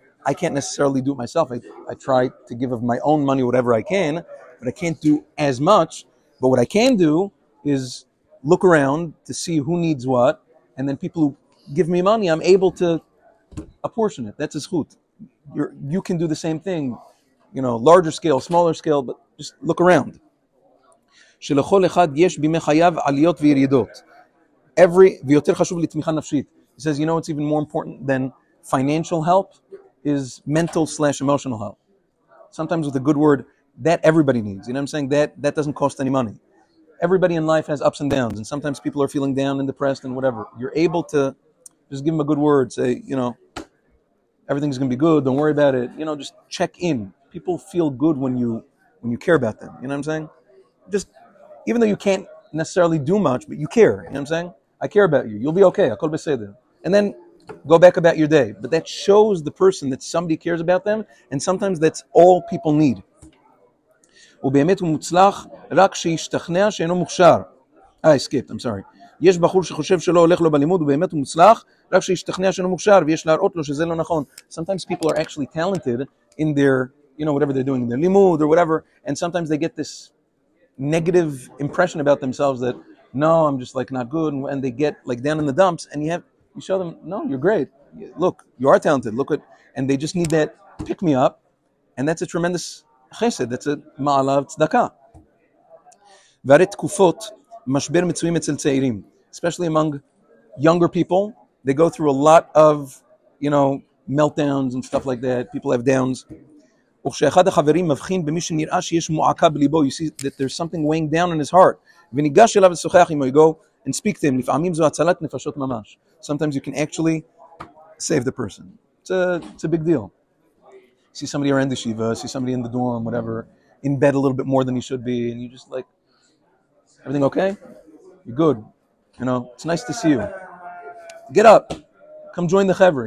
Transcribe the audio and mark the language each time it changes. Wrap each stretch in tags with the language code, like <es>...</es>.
<en>I can't necessarily do it myself. I try to give of my own money whatever I can, but I can't do as much. But what I can do is look around to see who needs what, and then people who give me money, I'm able to apportion it. That's a zechut. You can do the same thing. You know, larger scale, smaller scale, but just look around.</en> <he>שלכל אחד יש בימי חייו עליות וירידות. ויותר חשוב לתמיכה נפשית.</he> <en>He says, you know what's even more important than financial help is mental/emotional help. Sometimes with a good word, that everybody needs. You know what I'm saying? That doesn't cost any money. Everybody in life has ups and downs, and sometimes people are feeling down and depressed and whatever. You're able to just give them a good word, say, you know, everything's going to be good, don't worry about it. You know, just check in. People feel good when you care about them. You know what I'm saying? Just, even though you can't necessarily do much, but you care. You know what I'm saying? I care about you. You'll be okay. I'll call Beseder. And then go back about your day. But that shows the person that somebody cares about them. And sometimes that's all people need.</en> <he>ובאמת הוא מוצלח רק שישתכנע שאינו מוכשר.</he> <en>I skipped. I'm sorry.</en> <he>יש בחור שחושב שלא הולך לו בלימוד, ובאמת הוא מוצלח רק שישתכנע שאינו מוכשר, ויש להראות לו שזה לא נכון.</he> <en>Sometimes people are actually talented in their, you know, whatever they're doing, their limud or whatever, and sometimes they get this negative impression about themselves that, no, I'm just like not good, and they get like down in the dumps, and you show them, no, you're great. Look, you are talented. Look at, and they just need that pick me up, and that's a tremendous chesed. That's a ma'ala of tzedakah.</en> <he>V'hari tkufot mashber mitzuyim etzel tzeirim,</he> <en>especially among younger people, they go through a lot of, you know, meltdowns and stuff like that. People have downs.</en> <he>וכשאחד החברים מבחין במי שנראה שיש מועקה בליבו,</he> <en>you see that there's something weighing down in his heart,</en> <he>וניגש אליו לשוחח עם הוגו,</he> <en>and speak to him,</en> <he>לפעמים זו הצלת נפשות ממש.</he> <en>Sometimes you can actually save the person. It's a big deal. See somebody around the yeshiva, see somebody in the dorm, whatever, in bed a little bit more than he should be, and you just like, everything okay? You're good. You know, it's nice to see you. Get up. Come join the chevra.</en>